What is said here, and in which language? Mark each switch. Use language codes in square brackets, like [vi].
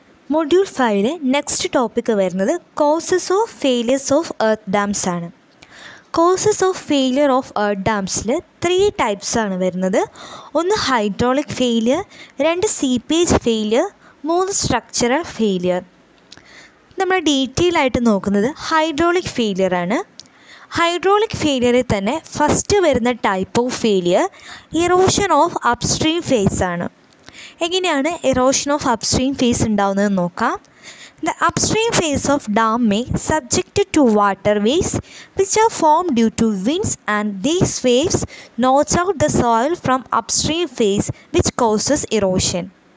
[ml] Module ഫൈവിലെ next topic വരുന്നത് causes of failures of earth dams ആണ്. Causes of failure of earth ഡാംസിൽ 3 types ആണ് വരുന്നത്. ഒന്ന് hydraulic failure, 2 seepage failure, 3 structural failure. നമ്മൾ detail ആയിട്ട് നോക്കുന്നത് ഹൈഡ്രോളിക് ഫെയിലിയർ ആണ്. ഹൈഡ്രോളിക് ഫെയിലിയറിൽ തന്നെ ഫസ്റ്റ് വരുന്ന type of failure erosion of upstream face ആണ്. [en] എങ്ങനെയാണ് erosion of upstream face ഉണ്ടാവുന്നതെന്ന് നോക്കാം. The upstream face of dam may subject to water waves which are form due to winds and these waves notch out the soil from upstream face which causes erosion.